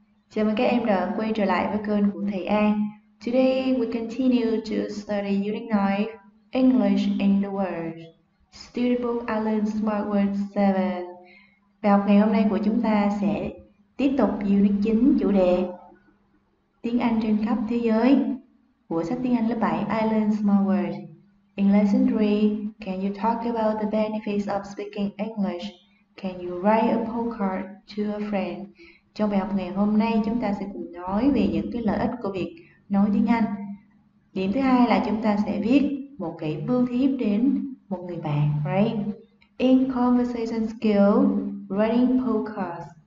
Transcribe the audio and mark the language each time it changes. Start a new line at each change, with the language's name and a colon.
Vietnamese: Chào mừng các em đã quay trở lại với kênh của thầy An.
English: Today we continue to study Unit 9, English in the World, Student Book I Learned Smart Words 7.
Vietnamese: Bài học ngày hôm nay của chúng ta sẽ tiếp tục Unit 9 chủ đề Tiếng Anh trên khắp thế giới của sách tiếng Anh lớp 7 I Learned Smart Words.
English: In lesson 3, can you talk about the benefits of speaking English? Can you write a postcard to a friend?
Vietnamese: Trong bài học ngày hôm nay chúng ta sẽ cùng nói về những cái lợi ích của việc nói tiếng Anh. Điểm thứ hai là chúng ta sẽ viết một cái bưu thiếp đến một người bạn, right?
English: In conversation skill, writing postcards.